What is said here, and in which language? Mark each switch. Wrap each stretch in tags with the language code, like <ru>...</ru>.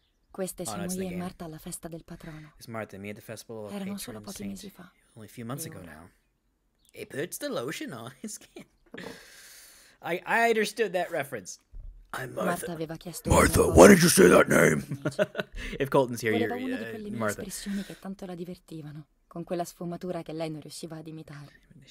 <it>Queste sono io e Marta alla festa del patrono.</it> <en>It's Martha and me at the festival of</en> <it>Erano solo pochi mesi fa.</it> <en>Only a few months ago now. It puts the lotion on his skin. I understood that reference. I'm Martha, why did you say that name? If Colton's here, you're Martha.</en> <it>Espressioni che tanto la divertivano, con quella sfumatura che lei non riusciva ad imitare.</it>